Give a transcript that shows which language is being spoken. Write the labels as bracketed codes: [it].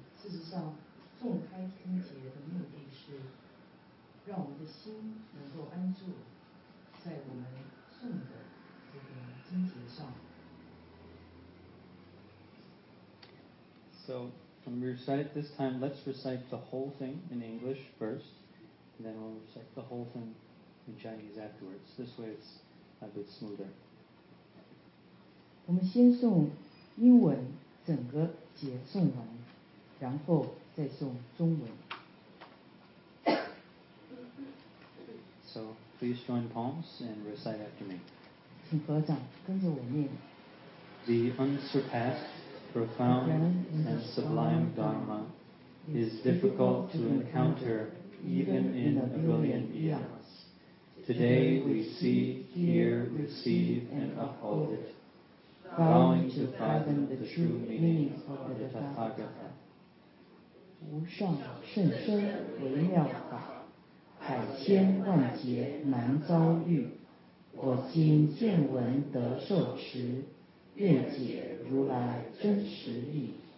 [zh] 事实上，诵开经节的目的是让我们的心能够安住在我们诵的这个经节上。 [en] So when we recite this time, let's recite the whole thing in English first, and then we'll recite the whole thing. In Chinese afterwards. This way it's a bit smoother. [zh] 我们先诵英文整个节诵完，然后再诵中文。 [en] So please join palms and recite after me. [zh] 请合掌，跟着我念。 [en] The unsurpassed, profound, and sublime Dharma is difficult to encounter even in a billion eons. Today we see, hear, receive, and uphold it, vowing to fathom the true meaning of the Tathagata. [zh] 无上甚深微妙法，海千万劫难遭遇。我今见闻得受持，愿解如来真实义。